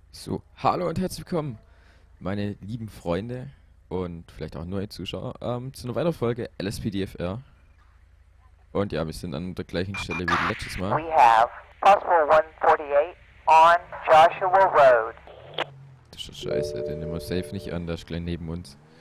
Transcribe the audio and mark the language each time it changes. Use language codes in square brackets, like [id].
[de] So, hallo und herzlich willkommen, meine lieben Freunde und vielleicht auch neue Zuschauer, zu einer weiteren Folge LSPDFR. Und ja, wir sind an der gleichen Stelle wie letztes Mal. [en] We have possible 148 on Joshua Road. [de] Das ist doch scheiße, den nehmen wir safe nicht an, der ist gleich neben uns.